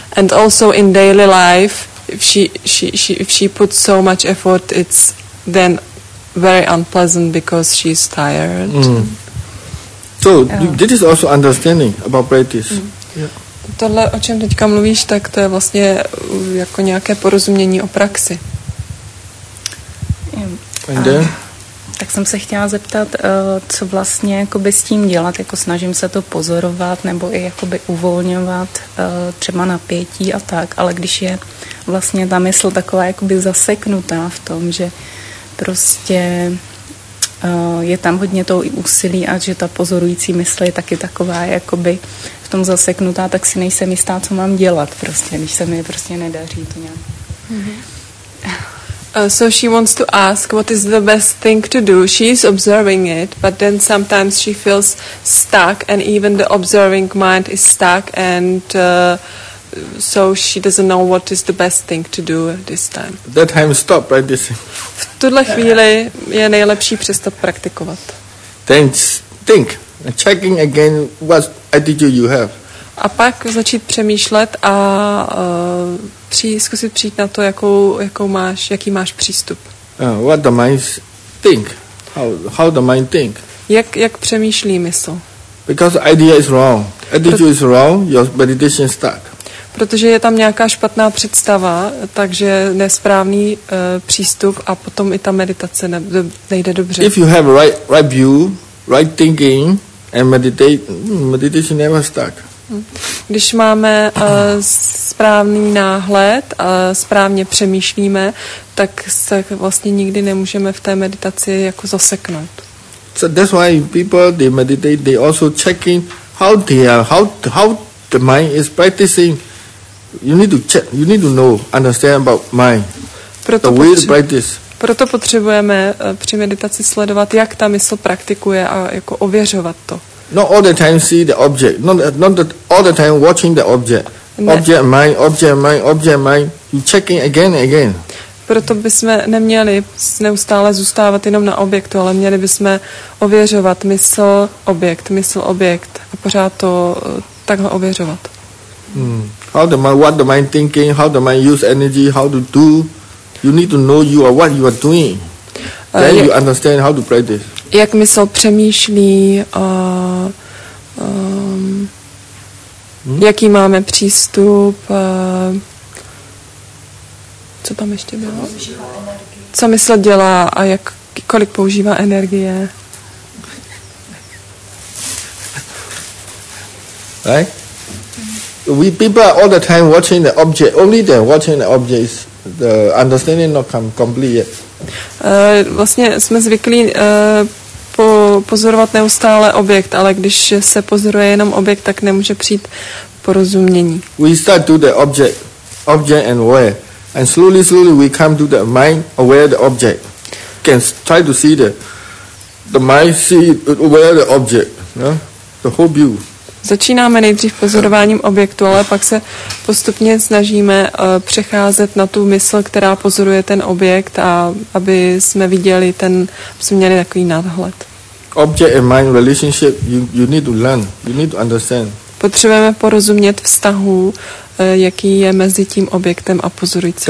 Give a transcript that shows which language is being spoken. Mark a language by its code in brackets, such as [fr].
[en] And also in daily life, if she puts so much effort, it's then very unpleasant because she's tired. So, this is also understanding about practice. [cs] Tohle, o čem teďka mluvíš, tak to je vlastně jako nějaké porozumění o praxi. Tak jsem se chtěla zeptat, co vlastně jakoby s tím dělat, jako snažím se to pozorovat nebo i jakoby uvolňovat třeba napětí a tak, ale když je vlastně ta mysl taková jakoby zaseknutá v tom, že prostě je tam hodně toho i úsilí a že ta pozorující mysl je taky taková jakoby v tom zaseknutá, tak si nejsem jistá, co mám dělat prostě, když se mi prostě nedaří to nějak. [en] So she wants to ask what is the best thing to do. She's observing it, but then sometimes she feels stuck and even the observing mind is stuck and so she doesn't know what is the best thing to do this time. That time stop practicing. [cs] V tuhle chvíli je nejlepší přestat praktikovat. [en] Then think, checking again what attitude you have. [cs] A pak začít přemýšlet a zkusit přijít na to, jaký máš přístup. [en] What the mind think? How the mind think? [cs] Jak přemýšlí mysl? [en] Because idea is wrong. Attitude is wrong, your meditation start. [cs] Protože je tam nějaká špatná představa, takže nesprávný přístup a potom i ta meditace nejde dobře. [en] If you have right view, right thinking and meditation never start. [cs] Když máme správný náhled a správně přemýšlíme, tak se vlastně nikdy nemůžeme v té meditaci jako zaseknout. [en] So that's why people they meditate, they also checking how they are, how the mind is practicing. You need to check, you need to know, understand about mind. [cs] Proto [en] the way to practice. [cs] Proto potřebujeme při meditaci sledovat, jak ta mysl praktikuje a jako ověřovat to. [en] Not all the time see the object. Not all the time watching the object. [cs] Ne. [en] Object mind. You checking again and again. [cs] Proto bychom neměli neustále zůstávat jenom na objektu, ale měli bychom ověřovat mysl, objekt a pořád to takhle ověřovat. [en] How the mind, what the mind thinking, how the mind use energy, how to do. You need to know you are what you are doing. Then you understand how to practice. [cs] Jak mysl přemýšlí, jaký máme přístup, co tam ještě bylo? Co mysl dělá a kolik používá energie? [en] Right? We people are all the time watching the object. Only then watching the objects, the understanding not come complete yet. [cs] Vlastně jsme zvyklí pozorovat neustále objekt, ale když se pozoruje jenom objekt, tak nemůže přijít porozumění. [en] We start to the object and aware. And slowly we come to the mind aware the object. Can try to see the mind see aware the object. Yeah? The whole view. [cs] Začínáme nejdřív pozorováním objektu, ale pak se postupně snažíme přecházet na tu mysl, která pozoruje ten objekt a aby jsme viděli ten, jsme měli takový nadhled. [en] Object and mind relationship, you need to learn, you need to understand. [cs] Potřebujeme porozumět vztahu, jaký je mezi tím objektem a pozorující